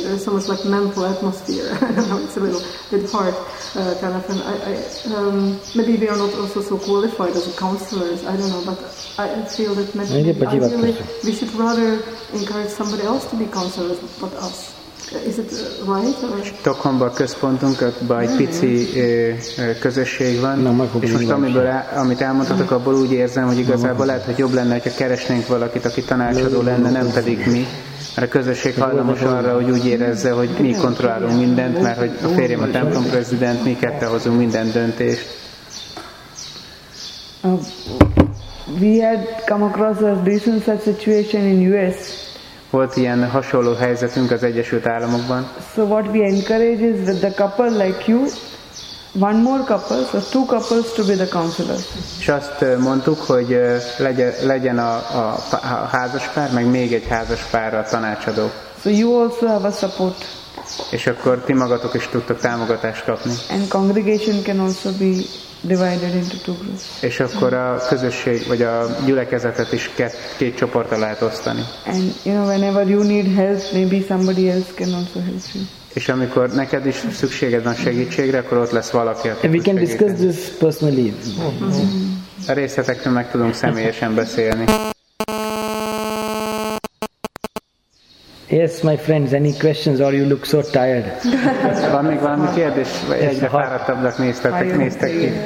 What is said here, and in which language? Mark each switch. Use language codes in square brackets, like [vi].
[en] And there's almost like mental atmosphere. It's a little bit hard, kind of. And maybe we are not also so qualified as counselors. I don't know, but I feel that maybe ideally we should rather encourage somebody else to be counselors, but us. Is it right? [hu] Stockholmban a központunkban egy pici közösség van, és most amit elmondhatok, abból úgy érzem, hogy igazából lehet, hogy jobb lenne, hogyha keresnénk valakit, aki tanácsadó lenne, nem pedig mi. Mert a közösség hajlamos arra, hogy úgy érezze, hogy mi kontrollálunk mindent, mert hogy a férjem a templom prezident, mi ketten hozunk minden döntést. [en] We had come across a recent such situation in US. [hu] Volt ilyen hasonló helyzetünk az Egyesült Államokban. [en] So what we encourage is that the couple like you, one more couple, so two couples to be the counselor. [hu] És azt mondtuk, hogy legyen a házaspár, meg még egy házaspár a tanácsadó. [en] So you also have a support. [hu] És akkor ti magatok is tudtok támogatást kapni. [en] And congregation can also be divided into two groups. [hu] És akkor a közösség vagy a gyülekezetet is két csoportra lehet osztani. [en] And you know, whenever you need help, maybe somebody else can also help you. [hu] És amikor neked is szükséged van segítségre, akkor ott lesz valaki, aki tud segíteni. [en] We can discuss this personally. [hu] A részletekről meg tudunk személyesen beszélni. [en] Yes, my friends, any questions or you look so tired? [hu] Van még valami kérdés? Egyre fáradtabbnak néztek ki.